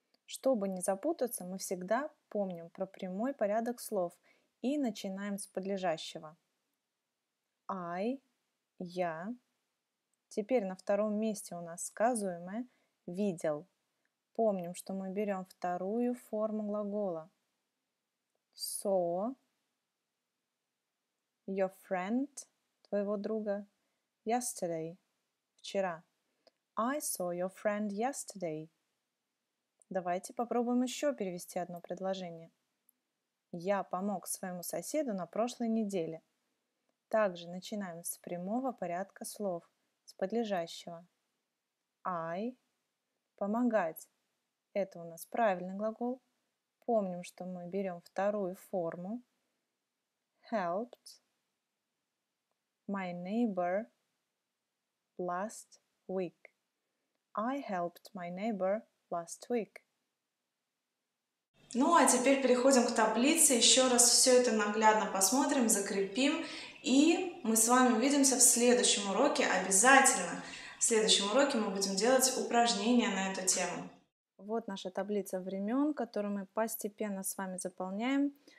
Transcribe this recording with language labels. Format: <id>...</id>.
<ru>Чтобы не запутаться, мы всегда помним про прямой порядок слов и начинаем с подлежащего.</ru> <en>I, я.</en> <ru>Теперь на втором месте у нас сказуемое «видел». Помним, что мы берем вторую форму глагола.</ru> <en>Saw, your friend,</en> <ru>твоего друга,</ru> <en>yesterday,</en> <ru>вчера.</ru> <en>I saw your friend yesterday.</en> <ru>Давайте попробуем еще перевести одно предложение. Я помог своему соседу на прошлой неделе. Также начинаем с прямого порядка слов, с подлежащего. I, помогать. Это у нас правильный глагол. Помним, что мы берем вторую форму.</ru> <en>Helped. My neighbor last week. I helped my neighbor last week.</en> <ru>Ну, а теперь переходим к таблице. Еще раз все это наглядно посмотрим, закрепим. И мы с вами увидимся в следующем уроке обязательно. В следующем уроке мы будем делать упражнения на эту тему. Вот наша таблица времен, которую мы постепенно с вами заполняем.</ru>